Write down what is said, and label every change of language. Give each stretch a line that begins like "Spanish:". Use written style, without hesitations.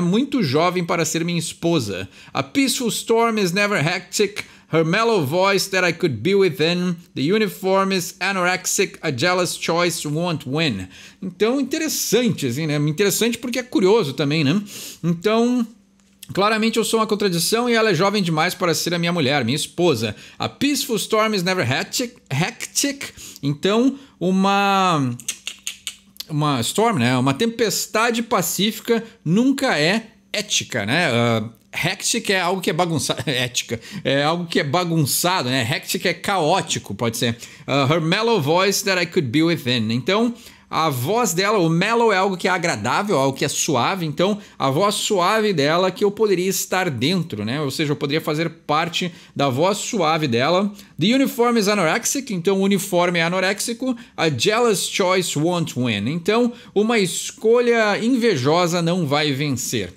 Portuguese: Muito jovem para ser minha esposa.
English: A peaceful storm is never hectic. Her mellow voice that I could be within. The uniform is anorexic. A jealous choice won't win.
Portuguese: Então, interessante, assim, né? Interessante porque é curioso também, né? Então... Claramente eu sou uma contradição e ela é jovem demais para ser a minha mulher, minha esposa.
English: A peaceful storm is never hectic.
Portuguese: Então, uma storm, né? Uma tempestade pacífica nunca é ética, né? Hectic é algo que é bagunçado. Ética. É algo que é bagunçado, né? Hectic é caótico, pode ser.
English: Her mellow voice that I could be within.
Portuguese: Então... A voz dela, o mellow é algo que é agradável, algo que é suave, então a voz suave dela que eu poderia estar dentro, né? Ou seja, eu poderia fazer parte da voz suave dela.
English: The uniform is anorexic,
Portuguese: então o uniforme é anoréxico.
English: A jealous choice won't win,
Portuguese: então uma escolha invejosa não vai vencer.